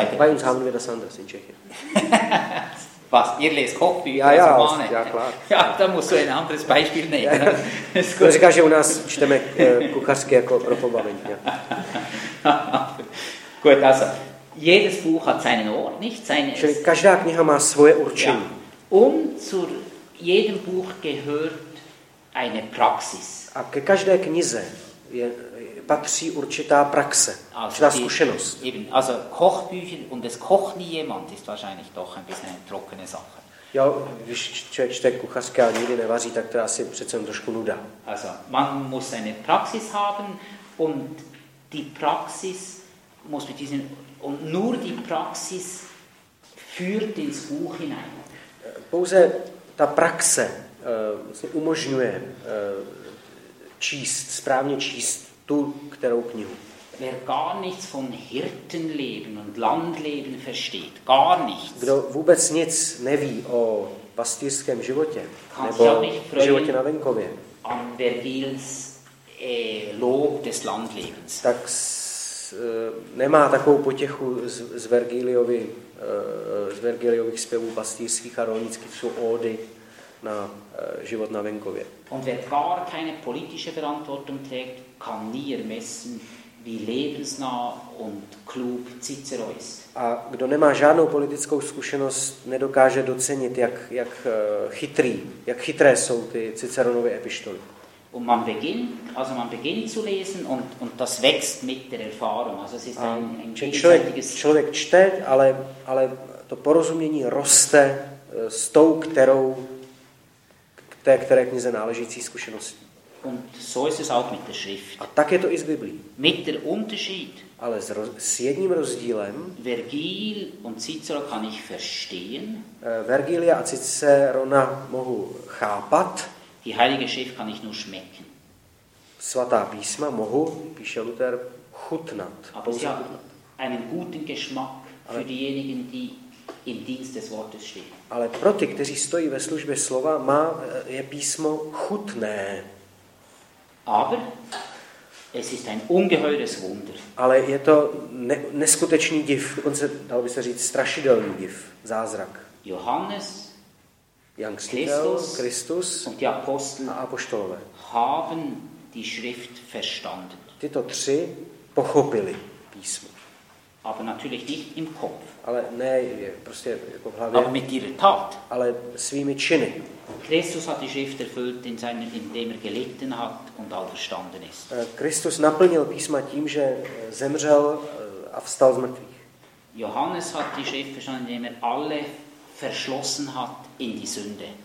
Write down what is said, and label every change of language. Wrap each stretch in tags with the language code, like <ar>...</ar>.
<de>uns haben wir das anders in Tschechien. Was, ihr lest Kochbücher? Ja, also ja, klar. Ja, da musst du ein anderes Beispiel nehmen.</de> <cs>To říká, že u nás čteme kuchařky jako pro pobavení. Ja.</cs> <de>Gut, also jedes Buch hat seinen Ort, nicht seine.</de> <cs>Čili každá kniha má svoje určení. Ja.</cs> <de>Um zu jedem Buch gehört eine Praxis.</de> <cs>A ke každé knize je patří určitá praxe, určitá zkušenost.</cs> <de>Eben, also Kochbücher und es kocht nie jemand ist wahrscheinlich doch ein bisschen eine trockene Sache.</de> <cs>Jo, když člověk čte kuchařské a nikdy nevaří, tak to asi přece trošku nuda.</cs> <de>Also, man muss eine Praxis haben und die Praxis muss mit diesen und nur die Praxis führt ins Buch hinein.</de> <cs>Pouze ta praxe umožňuje číst, správně číst tu, kterou knihu.</cs> <de>Wer gar nichts von Hirtenleben und Landleben versteht, gar nichts.</de> <cs>Kdo vůbec nic neví o pastýřském životě, nebo životě na venkově,</cs> <de>an der Wils, Lob des Landlebens.</de> <cs>Tak nemá takovou potěchu z Vergiliovi, z Vergiliových zpěvů pastýřských a rolnických, jsou ódy na život na venkově.</cs> <de>Und wer gar keine politische Verantwortung trägt, kann nie ermessen, wie lebensnah und klug Cicero ist.</de> <cs>A kdo nemá žádnou politickou zkušenost, nedokáže docenit, jak chytré jsou ty Ciceronovy epištoly.</cs> <de>Und man beginnt zu lesen und das wächst mit der Erfahrung. Also es ist ein</de> <cs>Člověk čte, ale to porozumění roste s tou, které knize náležící zkušenosti.</cs> <de>Und so ist es auch mit der Schrift.</de> <cs>A tak je to i s Biblí.</cs> <de>Mit der Unterschied.</de> <cs>Ale s jedním rozdílem.</cs> <de>Vergil und Cicero kann ich verstehen.</de> <cs>Vergilia a Cicerona mohu chápat.</cs> <de>Die heilige Schrift kann ich nur schmecken.</de> <cs>Svatá písma mohu, píše Luther, chutnat.</cs> <de>Aber sie haben einen guten Geschmack für diejenigen, die im Dienst des Wortes stehen.</de> <cs>Ale pro ty, kteří stojí ve službě slova, je písmo chutné.</cs> <de>Aber es ist ein ungeheures Wunder.</de> <cs>Ale je to neskutečný div, dokonce dalo by se říct strašidelný div, zázrak.</cs> <de>Johannes,</de> <cs>Jan Křtitel, Kristus</cs> <de>und die Apostel</de> <cs>a apoštolové</cs> <de>haben die Schrift verstanden.</de> <cs>Tyto tři pochopili písmo.</cs> <de>Aber natürlich nicht im Kopf.</de> <cs>Ale ne, prostě jako v hlavě.</cs> <de>Aber mit ihrer Tat.</de> <cs>Ale svými činy.</cs> <de>Christus hat die Schrift erfüllt in seinem, indem er gelitten hat und all verstanden ist.</de> <cs>Christus naplnil písma tím, že zemřel a vstal z mrtvých.</cs> <de>Johannes hat die Schrift verstanden, indem er alle verschlossen hat in die Sünde.</de>